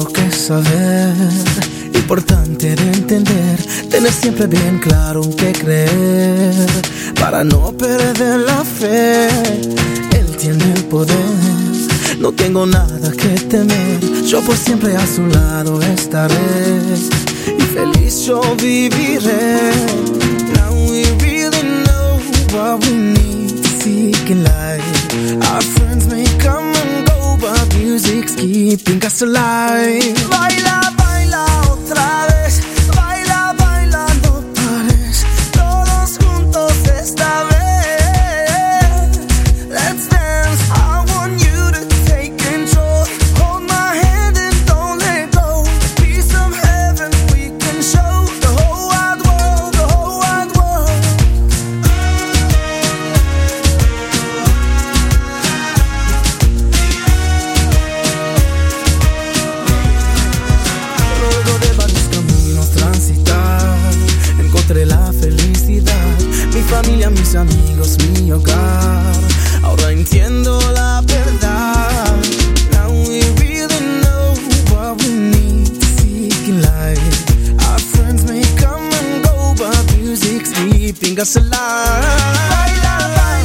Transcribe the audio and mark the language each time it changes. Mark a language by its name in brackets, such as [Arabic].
[Spanish] saber, importante de entender, tener siempre bien claro qué creer, para no perder la fe. Él tiene el poder, no tengo nada que temer, yo por siempre a su lado estaré, y feliz yo viviré. [English] Now we really know what we need to seek in life. Our friends may come and go, but music's keeping us alive. [Spanish] Baila, baila otra vez. Baila, baila, no pares. Todos juntos esta vez. [English] Let's dance. I want you to take control. Hold my hand and don't let go. Peace of heaven we can show. The whole wide world, the whole wide world. [Spanish] Luego de varios caminos transitar, encontré la felicidad, mi familia, mis amigos, mi hogar. Ahora entiendo la verdad. [English] Now we really know what we need to seek in life. Our friends may come and go, but music's keeping us alive.